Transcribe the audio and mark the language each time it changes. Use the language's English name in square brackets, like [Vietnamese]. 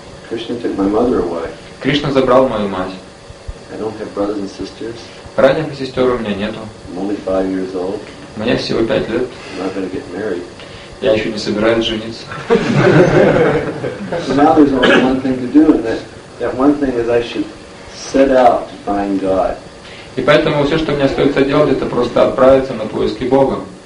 [English] Krishna took my mother away. [Russian] Кришна забрал мою мать. [English] I don't have brothers and sisters. [Russian] Братьев и сестер у меня нету. [English] I'm only 5 years old. [Russian] Мне всего 5 лет. [English] I'm not gonna get married. [Russian] Я еще не собираюсь жениться. [English] So now there's only one thing to do, and that one thing is I should set out to find God. [Russian] И поэтому все, что мне остается делать, это просто отправиться на поиски Бога.